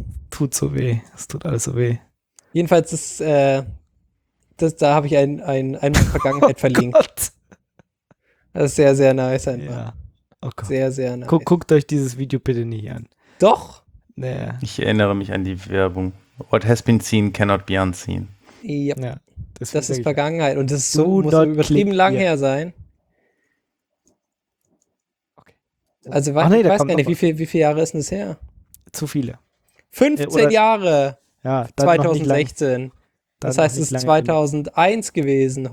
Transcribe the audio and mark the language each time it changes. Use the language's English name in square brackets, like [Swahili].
[German] Tut so weh. Es tut alles so weh. Jedenfalls, da habe ich eine Vergangenheit verlinkt. Gott. Das ist sehr, sehr nice einfach. Ja. Oh Gott. Sehr, sehr nice. Guckt euch dieses Video bitte nicht an. Doch. Naja. Ich erinnere mich an die Werbung. [English] What has been seen cannot be unseen. [German] Ja. Ja, das ist Vergangenheit. Und das ist so, muss so übertrieben lang her sein. Also ich weiß gar nicht, wie viele Jahre ist denn das her? Zu viele. 15 oder, Jahre. Ja, 2016. Lang, das heißt, es ist 2001 gewesen.